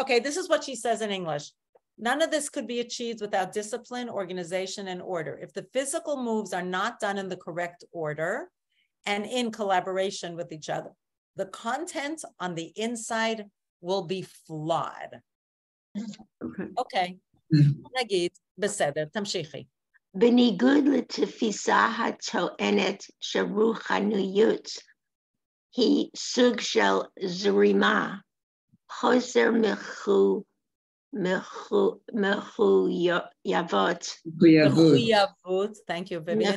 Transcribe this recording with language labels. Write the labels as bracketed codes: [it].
[en] Okay, this is what she says in English. None of this could be achieved without discipline, organization, and order. If the physical moves are not done in the correct order and in collaboration with each other, the content on the inside will be flawed. Okay. [he] Nagid, beseder, tamshichi. בניגוד לתפיסה הטוענת שרוחניות היא סוג של זרימה, חוסר מחויבות. מחויבות, [en] thank you, Vivian.